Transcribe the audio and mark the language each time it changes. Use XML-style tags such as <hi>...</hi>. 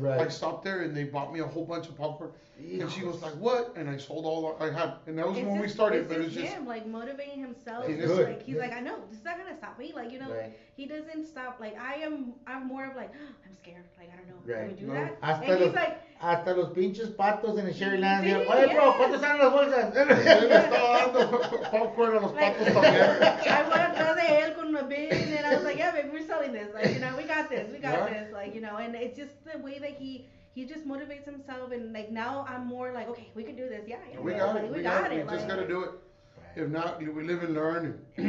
<en>I stopped there and they bought me a whole bunch of popcorn. Yes. And she was like, what? And I sold all I had. And that was when we started. But it's just him, like, motivating himself. He's like, I know, this is not going to stop me. Like, you know, he doesn't stop. Like, I'm more of like, oh, I'm scared. Like, I don't know. Can we do that? And he's like,</en> <es>hasta los pinches patos en el Sherry Land. Oye, bro, ¿cuántos están las bolsas? Él estaba dando popcorn a los patos también.</es> <en>I went atrás de él con una bin, and I was like, yeah, baby, we're selling this. Like, you know, we got this. Like, you know, and it's just the way that he just motivates himself. And, like, now I'm more like, okay, we can do this. Yeah. We got it. We just got to do it. If not, we live and learn.</en>